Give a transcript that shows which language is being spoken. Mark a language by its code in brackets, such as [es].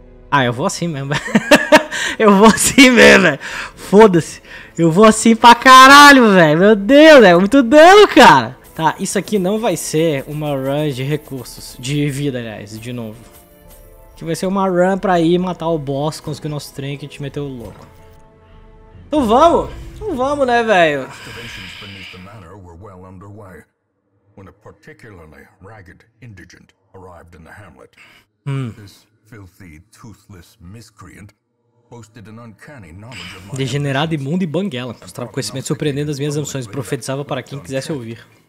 [pt] Ah, eu vou assim mesmo. Eu vou assim mesmo, véi. Foda-se. Eu vou assim pra caralho, véi. Meu Deus, é muito dano, cara. Tá, isso aqui não vai ser uma run de recursos. De vida, aliás, de novo. Que vai ser uma run pra ir matar o boss, conseguir o nosso trinket e meter o louco. Então vamos? Então vamos, né, velho? [en] As excavações beneath the manor were well underway when a particularly ragged indigent arrived in the hamlet. This filthy, toothless miscreant boasted an uncanny knowledge of my abilities. [pt] Degenerado, imundo e banguela. Mostrava conhecimento surpreendendo as minhas ambições e profetizava para quem quisesse ouvir.